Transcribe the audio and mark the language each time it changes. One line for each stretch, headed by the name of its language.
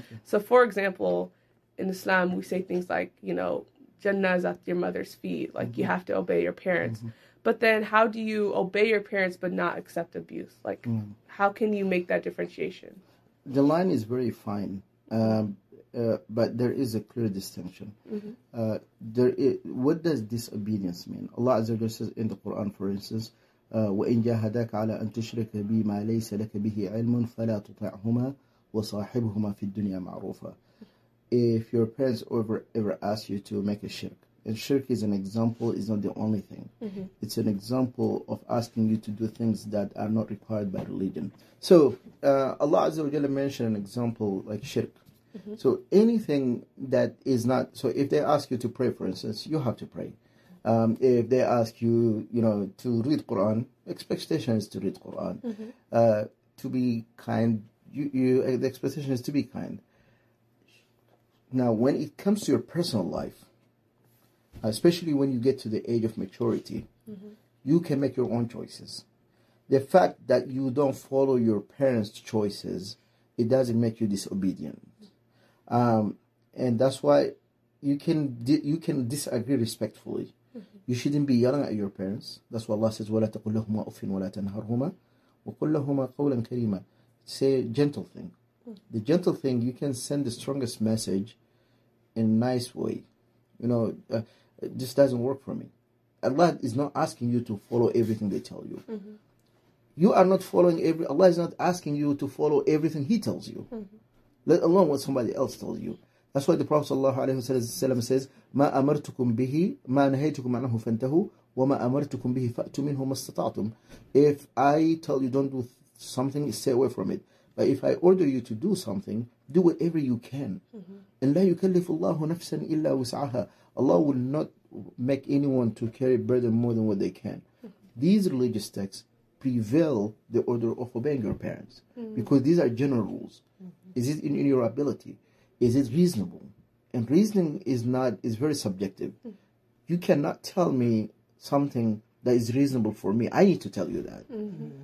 English: So, for example, in Islam, we say things like, you know, Jannah is at your mother's feet, like mm-hmm. you have to obey your parents. Mm-hmm. But then how do you obey your parents but not accept abuse? Like, mm-hmm. how can you make that differentiation? The line is very fine, but there is a clear distinction. Mm-hmm. What does disobedience mean? Allah Azza wa Jalla says in the Quran, for instance,
Arabic: وَإِنْ جَاهَدَكَ عَلَى أَنْ تُشْرِكَ بِي مَا لَيْسَ لَكَ بِهِ عِلْمٌ فَلَا تُطَعْهُمَا وَصَاحِبْهُمَا فِي الدُّنْيَا مَعْرُوفًا.
English: If your parents ever ask you to make a shirk, and shirk is an example, it's not the only thing. Mm-hmm. It's an example of asking you to do things that are not required by religion. So Allah Azza wa Jalla mentioned an example like shirk. Mm-hmm. So anything that is not, so if they ask you to pray, for instance, you have to pray. If they ask you, you know, to read Quran, expectation is to read Quran. Mm-hmm. To be kind, the expectation is to be kind. Now, when it comes to your personal life, especially when you get to the age of maturity, mm-hmm. you can make your own choices. The fact that you don't follow your parents' choices, it doesn't make you disobedient. And that's why you can disagree respectfully. You shouldn't be yelling at your parents. That's why Allah says,
Arabic: وَلَا تَقُلْ لَهُمَا أُفٍ وَلَا تَنْهَرْهُمَا وَقُلْ لَهُمَا قَوْلًا كَرِيمًا.
English: Say a gentle thing. The gentle thing, you can send the strongest message in a nice way. You know, this doesn't work for me. Allah is not asking you to follow everything they tell you. Mm-hmm. You are not following every... Allah is not asking you to follow everything He tells you. Mm-hmm. Let alone what somebody else tells you. That's why the Prophet sallallahu alaihi wasallam says,
Arabic: مَا أَمَرْتُكُمْ بِهِ مَا نَهَيْتُكُمْ عَنَهُ فَانْتَهُ وَمَا أَمَرْتُكُمْ بِهِ فَأْتُ مِنْهُ مَا اسْتَطَعْتُمْ.
English: If I tell you don't do something, stay away from it. But if I order you to do something, do whatever you can. And
Arabic: لَا يُكَلِّفُ اللَّهُ نَفْسًا إِلَّا وُسْعَهَا.
English: Allah will not make anyone to carry burden more than what they can. These religious texts prevail the order of obeying your parents. Because these are general rules. Is it in your ability? Is it reasonable? And reasoning is very subjective. You cannot tell me something that is reasonable for me. I need to tell you that. Mm-hmm.